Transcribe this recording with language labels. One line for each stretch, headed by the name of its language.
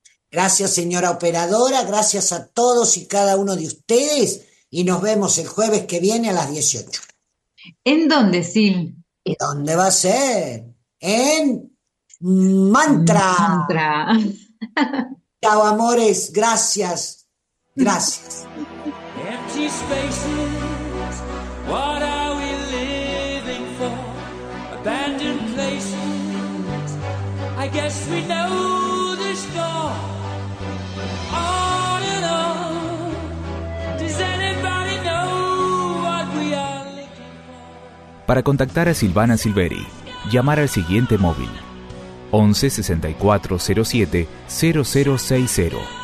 Spanish: Gracias, señora operadora. Gracias a todos y cada uno de ustedes. Y nos vemos el jueves que viene a las 18. ¿En dónde, Sil? ¿Y dónde va a ser? En mantra. Mantra. Chao, amores, gracias, gracias.
English: Empty spaces, what are we living for? Abandoned places, I guess we know this door. All in all, does anybody know what we are looking for?
Spanish: Para contactar a Silvana Silveri, llamar al siguiente móvil: 11-6407-0060.